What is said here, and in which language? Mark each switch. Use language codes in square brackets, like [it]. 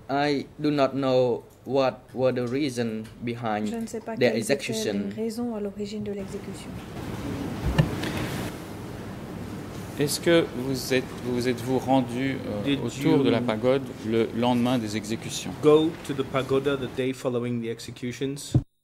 [en] I do not know what were the reason behind their execution. [fr] Je ne sais pas quelles étaient les raisons à l'origine de l'exécution. Est-ce que vous êtes-vous rendu autour de la pagode le lendemain des exécutions? [en] Go to the pagoda the day following the executions.